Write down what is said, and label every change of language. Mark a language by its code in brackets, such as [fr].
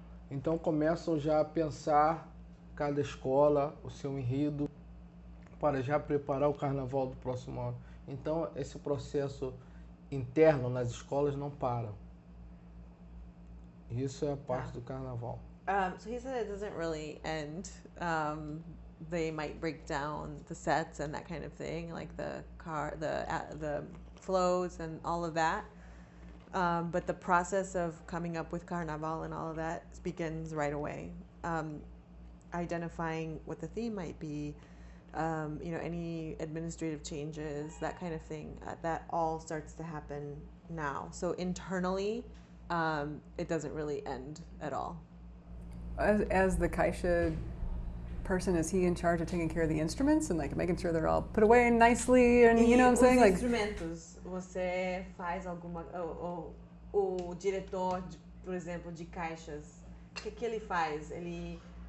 [pt] Então começam já a pensar cada escola, o seu enredo, para já preparar o carnaval do próximo ano. Então esse processo interno nas escolas não para. Isso é a parte do carnaval. [en] So he said it doesn't really end. They might break down the sets and that kind of thing, like the car, the flows and all of that. But the process of coming up with Carnaval and all of that begins right away. Identifying what the theme might be, you know, any administrative changes, that kind of thing, that all starts to happen now. So internally, it doesn't really end at all. As the caixa person, is he in charge of taking care of the instruments and like making sure they're all put away nicely? And you know what I'm saying? [pt] Like instrumentos, você faz alguma? O diretor, por exemplo, de caixas, o que ele faz? Ele